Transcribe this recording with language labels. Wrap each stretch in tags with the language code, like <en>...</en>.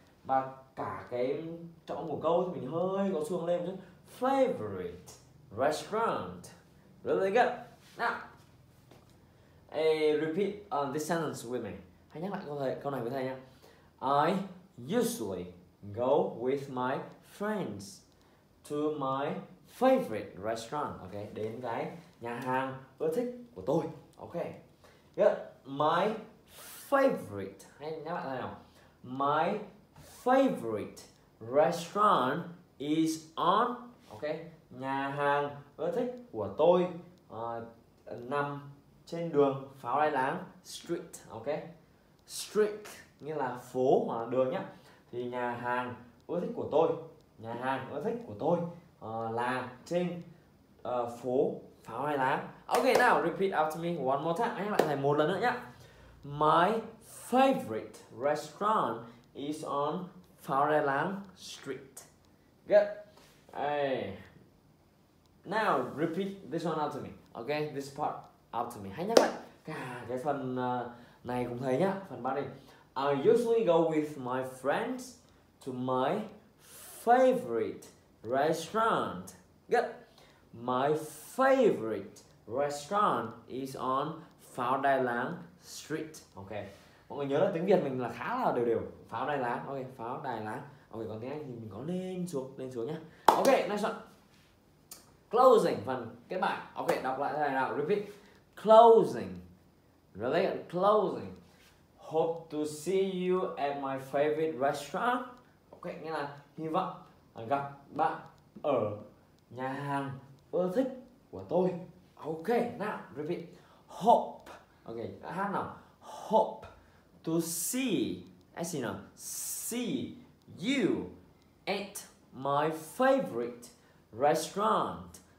<vi>Và cả cái trong một câu thì mình hơi có xuống lên chút.</vi> <en>Favorite restaurant, really good. Now, repeat this sentence with me.</en> <vi>Hãy nhắc lại câu này với thầy nhé.</vi> <en>I usually go with my friends to my favorite restaurant.</en> <vi>Okay, đến cái nhà hàng ưa thích của tôi.</vi> <en>Okay, good. My favorite.</en> <vi>Hãy nhắc lại thầy nào.</vi> <en>My favorite restaurant is on.</en> <vi>Ok, nhà hàng ưa thích của tôi nằm trên đường pháo đài láng, street, ok. Street nghĩa là phố hoặc là đường nhá. Thì nhà hàng ưa thích của tôi, nhà hàng ưa thích của tôi là trên phố pháo đài láng.</vi> <en>Ok, now repeat after me one more time.</en> <vi>Anh lại thầy một lần nữa nhá.</vi> <en>My favorite restaurant is on pháo đài láng street. Good. Hey. Now repeat this one out to me. Okay, this part out to me.</en> <vi>Hãy nhắc lại cả cái phần này cũng thấy nhá, phần body.</vi> <en>I usually go with my friends to my favorite restaurant. Good. My favorite restaurant is on Pháo Đài Láng Street. Okay.</en> <vi>Mọi người nhớ là tiếng Việt mình là khá là đều đều. Pháo Đài Láng. Okay, Pháo Đài Láng. Okay, còn tiếng Anh thì mình có lên xuống nhá.</vi> <en>Ok, next one.</en> <vi>Closing, phần kết bài. Ok, đọc lại thế này nào, repeat.</vi> <en>Closing. Really? Closing. Hope to see you at my favorite restaurant.</en> <vi>Ok, nghĩa là hy vọng gặp bạn ở nhà hàng ưa thích của tôi.</vi> <en>Ok, now repeat. Hope. Ok,</en> <vi>hát nào.</vi> <en>Hope to see, as you know, see you at my favorite restaurant.</en>